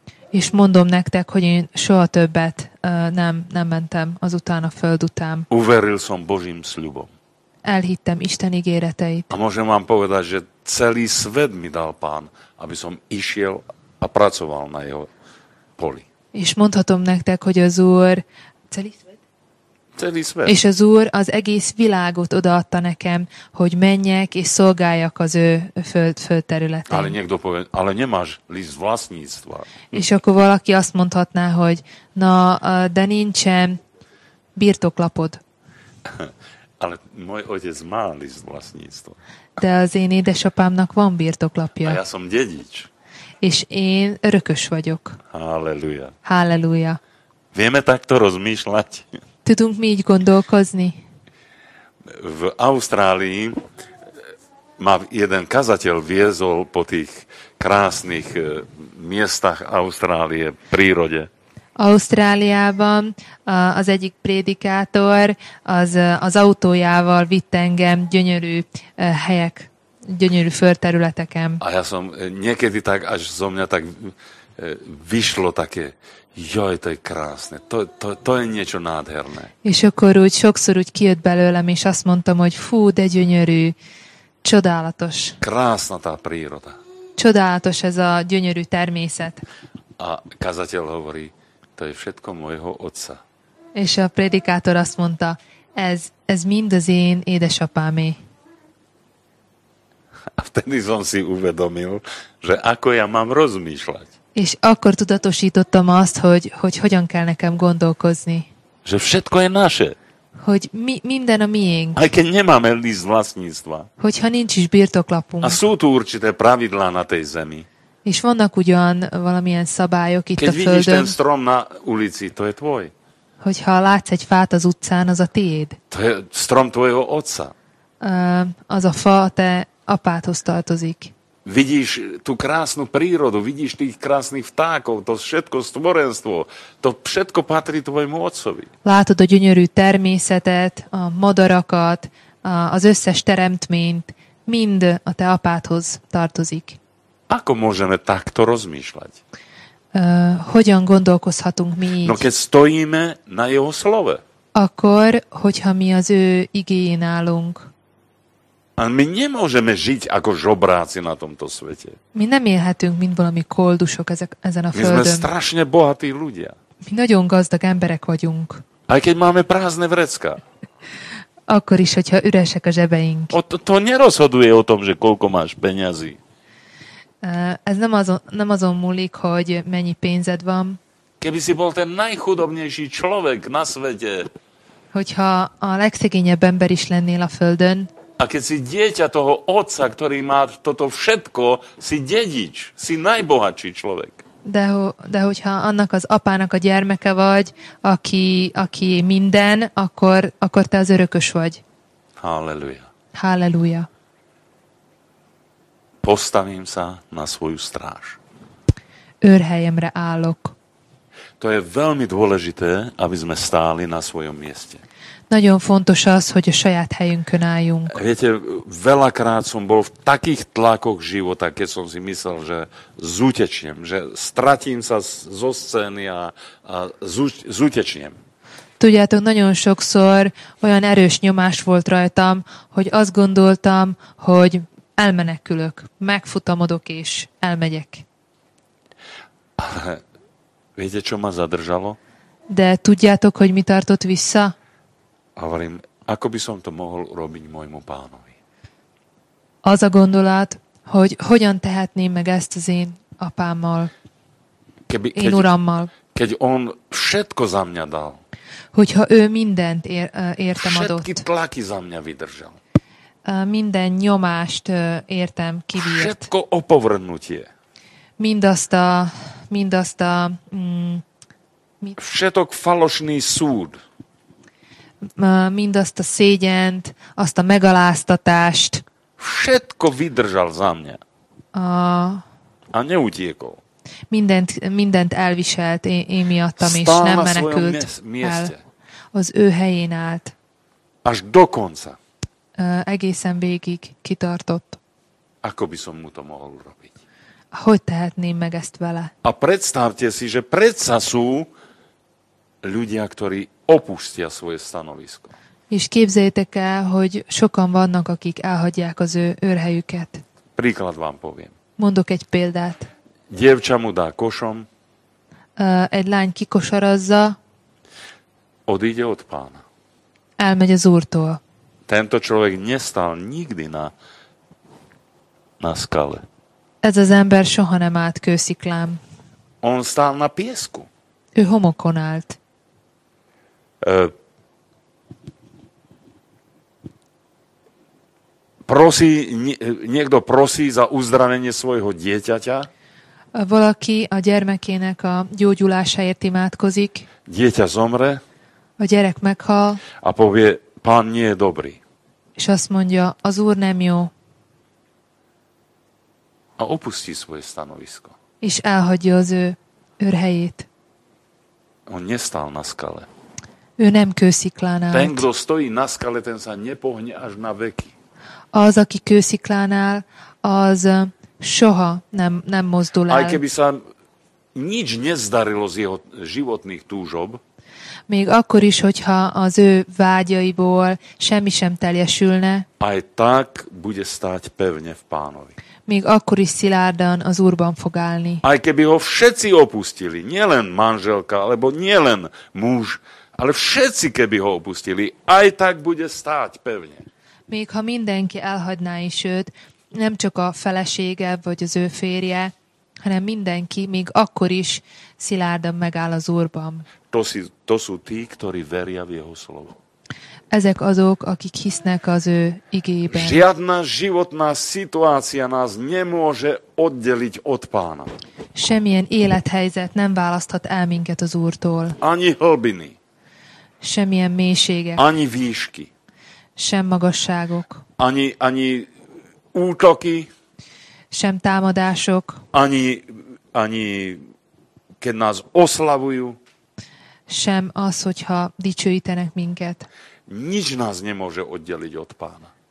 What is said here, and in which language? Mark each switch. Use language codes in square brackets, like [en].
[hu] És mondom nektek, hogy én soha többet nem mentem azután a föld után. [sk] Uveril som Božím sľubom. [hu] Elhittem Isten ígéreteit. [sk] A môžem vám povedať, že celý svet mi dal Pán, aby som išiel a pracoval na jeho poli. [hu] És mondhatom nektek, hogy az Úr... [sk] Celý svet. [hu] És az Úr az egész világot odaadta nekem, hogy menjek és szolgáljak az ő föld területén. [sk] Ale niekto povie, ale nemáš list vlastníctva. [hu] És akkor valaki azt mondhatná, hogy na, de nincsen birtoklapod. [sk] Ale môj otec má list vlastníctva. [hu] De az én édesapámnak van birtoklapja. [sk] A ja som dedič. [hu] És én örökös vagyok. Halleluja. Halleluja. [sk] Vieme takto rozmýšľať? [hu] Tudunk mi így gondolkozni? [sk] V Austrálii ma jeden kazateľ viezol po tých krásnych miestach Austrálie, prírode. [hu] Ausztráliában az egyik prédikátor az autójával vitt engem gyönyörű helyek, gyönyörű földterületeken. [sk] A ja som niekedy tak, až zo mňa tak vyšlo také, jaj, to je krásne, to je niečo nádherné. [hu] És akkor úgy sokszor úgy kijött belőlem, és azt mondtam, hogy fú, de gyönyörű, csodálatos. [sk] Krásna tá príroda. [hu] Csodálatos ez a gyönyörű természet. [sk] A kazateľ hovorí, to je všetko môjho otca. [hu] És a predikátor azt mondta, ez mind az én édesapámé. [sk] A vtedy som si uvedomil, že ako ja mám rozmýšľať. [hu] És akkor tudatosítottam azt, hogy hogyan kell nekem gondolkozni. [sk] Že všetko je naše. [hu] Hogy minden a miénk. [sk] Aj keď nemáme list vlastníctva. [hu] Hogyha nincs is birtoklapunk. [sk] A sú tu určité pravidlá na tej zemi. [hu] És vannak ugyan valamilyen szabályok itt [sk] keď [hu] a földön. [sk] Keď vidíš ten strom na ulici, to je tvoj. [hu] Hogyha látsz egy fát az utcán, az a tiéd. [sk] To je strom tvojho otca. [hu] Az a fa te apádhoz tartozik. [sk] Vidíš tú krásnu prírodu, vidíš tých krásnych vtákov, to všetko stvorenstvo, to všetko patrí tvojmu otcovi. [hu] Látod a gyönyörű természetet, a madarakat, az összes teremtményt, mind a te apádhoz tartozik. [sk] Ako môžeme takto rozmýšľať? [hu] Hogyan gondolkozhatunk mi így? [sk] No keď stojíme na jeho slove. [hu] Akkor, hogyha mi az ő igéjén állunk. [sk] A my nemôžeme žiť ako žobráci na tomto svete. [hu] My nem élhetünk, mint valami koldusok ezen a [sk] my [hu] földön. [sk] My sme strašne bohatí ľudia. [hu] My nagyon gazdag emberek vagyunk. [sk] Aj keď máme prázdne vrecka. [hu] Akkor is, hogyha üresek a zsebeink. [sk] To nerozhoduje o tom, že koľko máš peňazí. [hu] Ez nem azon múlik, hogy mennyi pénzed van. [sk] Keby si bol ten najchudobnejší človek na svete. [hu] Hogyha a legszegényebb ember is lennél a földön. [sk] A keď si dieťa toho otca, ktorý má toto všetko, si dedič, si najbohatší človek. [hu] De hogyha annak az apának a gyermeke vagy, aki minden, akkor te az örökös vagy. Halleluja. Halleluja. [sk] Postavím sa na svoju stráž. [hu] Őrhelyemre állok. [sk] To je veľmi dôležité, aby sme stáli na svojom mieste. [hu] Nagyon fontos az, hogy a saját helyünkön álljunk. [sk] Viete, veľakrát som bol v takých tlakoch života, keď som si myslel, že zútečnem, že stratím sa zo scény a zútečnem. [hu] Tudjátok, nagyon sokszor olyan erős nyomás volt rajtam, hogy azt gondoltam, hogy elmenekülök, megfutamodok és elmegyek. [sk] Viete, čo ma zadržalo? [hu] De tudjátok, hogy mi tartott vissza? [sk] Hovorím, ako by som to mohol urobiť môjmu pánovi. [hu] Az a gondolat, hogy hogyan tehetném meg ezt az én apámmal, én urammal. [sk] Keď on všetko za mňa dal. [hu] Hogyha ő mindent értem adott. [sk] Všetky tlaky za mňa vydržal. [hu] Minden nyomást értem kivírt. [sk] Všetko opovrnutie. [hu] Mindazt a, mindazt a [sk] všetok falošný súd. [hu] Mindazt a szégyent, azt a megaláztatást. [sk] Všetko vydržal za mňa. A neutiekol. [hu] Mindent elviselt én miattam, és nem menekült el. Az ő helyén állt. [sk] Až do konca. [hu] Egészen végig kitartott. [sk] Ako by som mu to mohol urobiť? [hu] Hogy tehetném meg ezt vele? [sk] A predstavte si, že predsa sú ľudia, ktorí opustia svoje stanovisko. [hu] És képzeljétek el, hogy sokan vannak, akik elhagyják az ő őrhelyüket. [sk] Príklad vám poviem. [hu] Mondok egy példát. [sk] Dievča mu dá košom. [hu] Egy lány kikosarazza. [sk] Odíde od pána. [hu] Elmegy az úrtól. [sk] Tento človek nestál nikdy na skale. [hu] Ez az ember soha nem állt kősziklám. [sk] On stál na piesku. [hu] Ő homokon állt. [sk] Niekto prosí za uzdravenie svojho dieťaťa. [hu] Valaki a gyermekének a gyógyulásáért imádkozik. [sk] Dieťa zomre. [hu] A gyerek meghal. [sk] A povie, pán nie je dobrý. [hu] És azt mondja, az úr nem jó. [sk] A opustí svoje stanovisko. [hu] És elhagyja az ő őrhelyét. [sk] On nestál na skale. [hu] Ő nem kősziklán állt. [sk] Ten, kto stojí na skale, ten sa nepohne až na veky. [hu] Az, aki kősziklán áll, az soha nem mozdul el. [sk] Aj keby sa nič nezdarilo z jeho životných túžob. [hu] Még akkor is, hogyha az ő vágyaiból semmi sem teljesülne. [sk] Aj tak bude stáť pevne v pánovi. [hu] Még akkor is szilárdan az úrban fog állni. [sk] Aj keby ho všetci opustili, nielen manželka, alebo nielen muž, ale všetci keby ho opustili, aj tak bude stáť pevne. [hu] Még ha mindenki elhagyná is őt, nem csak a felesége vagy az ő férje, hanem mindenki, még akkor is szilárdan megáll az Úrban. [sk] To sú tí, ktorí veria v jeho slovo. [hu] Ezek azok, akik hisznek az ő igében. [sk] Žiadna životná situácia nás nemôže oddeliť od pána. [hu] Semmilyen élethelyzet nem választhat el minket az Úrtól. [sk] Ani hlbiny. [hu] Semmilyen mélységek. [sk] Ani výšky. [hu] Sem magasságok. [sk] Ani útoky. [hu] Sem támadások. [sk] Ani keď nás oslavujú. [hu] Sem az, hogyha dicsőítenek minket. [sk] Nič nás nemôže oddeliť od pána.